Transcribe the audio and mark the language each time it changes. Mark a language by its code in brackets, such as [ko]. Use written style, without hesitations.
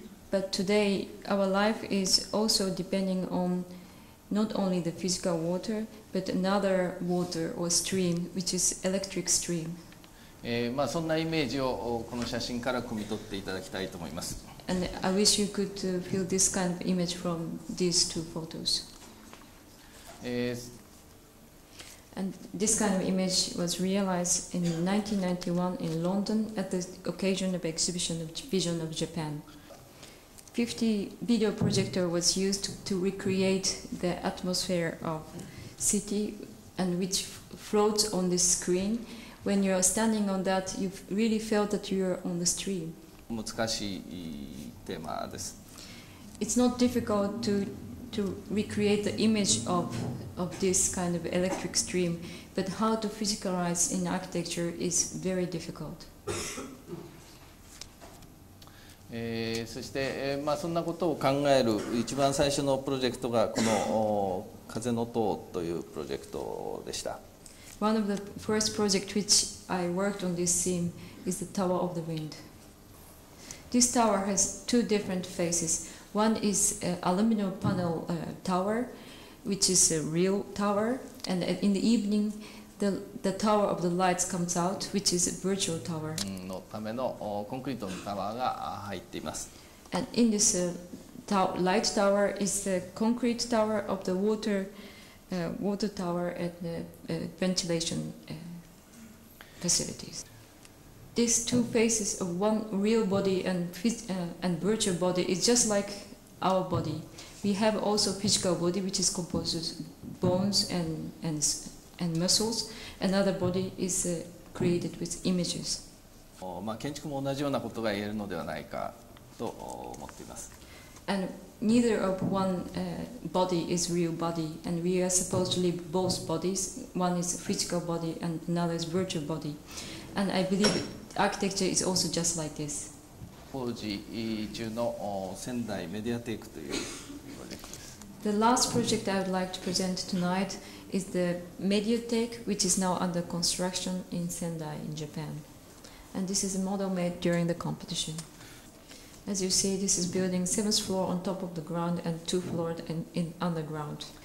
[en] But today, our life is also depending on not only the physical water, but another water or stream, which is electric stream. [ja] まあ、そんなイメージをこの写真から汲み取っていただきたいと思います。 [en] And I wish you could feel this kind of image from these two photos. And this kind of image was realized in 1991 in London at the occasion of exhibition of Vision of Japan. 50 video projector was used to recreate the atmosphere of city and which floats on the screen. When you are standing on that, you really felt that you are on the stream. [ja] 難しいテーマです。 [en] It's not difficult to recreate the image of this kind of electric stream, but how to physicalize in architecture is very difficult. [ja] そして、まあ、そんなことを考える一番最初のプロジェクトがこの風の塔というプロジェクトでした。 [en] One of the first project which I worked on this theme is the Tower of the Wind. This tower has two different faces. One is aluminum panel tower. Which is a real tower, and in the evening, the tower of the lights comes out, which is a virtual tower. [ja] のためのコンクリートのタワーが入っています。 [en] And in this light tower is the concrete tower of the water, water tower and the ventilation facilities. These two faces of one real body and virtual body is just like our body. We have also physical body, which is composed of bones and muscles. Another body is created with images. [ja] まあ建築も同じようなことが言えるのではないかと思っています。 [en] And neither of one body is real body, and we are supposed to live both bodies. One is physical body, and another is virtual body. And I believe architecture is also just like this. [ja] 工事中の仙台メディアテイクという [en] The last project I would like to present tonight is the Mediatek, which is now under construction in Sendai, in Japan. And this is a model made during the competition. As you see, this is building seventh floor on top of the ground and two floors in underground.